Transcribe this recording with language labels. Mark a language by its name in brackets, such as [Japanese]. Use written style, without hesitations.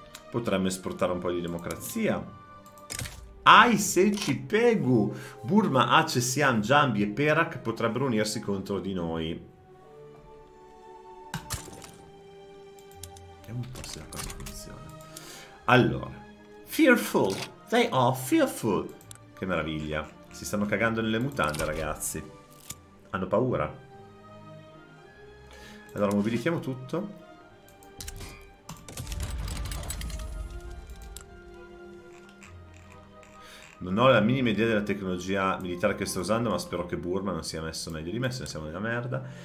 [Italian] Potremmo esportare un po' di democrazia. Aise Chi Pegu, Burma, Aceh, Siam, Jambi e Perak potrebbero unirsi contro di noi. Vediamo un po' se la cosa funziona. [English] Allora, fearful, they are fearful. [Italian] Che meraviglia, si stanno cagando nelle mutande, ragazzi. Hanno paura. Allora, mobilitiamo tutto. Non ho la minima idea della tecnologia militare che sto usando, ma spero che Burma non sia messo meglio di me, se ne siamo nella merda.